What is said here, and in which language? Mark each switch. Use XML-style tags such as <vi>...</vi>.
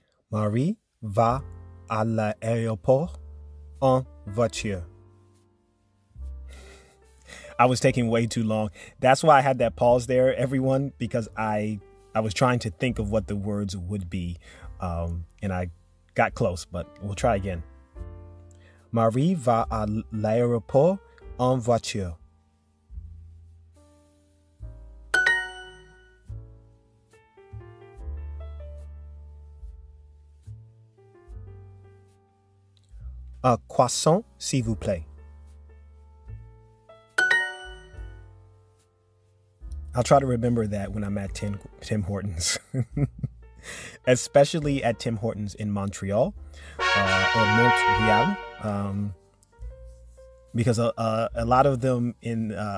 <fr>Marie va à l'aéroport en voiture.</fr> <en>I was taking way too long. That's why I had that pause there, everyone, because I was trying to think of what the words would be. And I got close, but we'll try again.</en> <fr>Marie va à l'aéroport en voiture. Un croissant, s'il vous plaît.</fr> <en>I'll try to remember that when I'm at Tim Hortons. especially at Tim Hortons in Montreal or Montreal, because a lot of them in</en>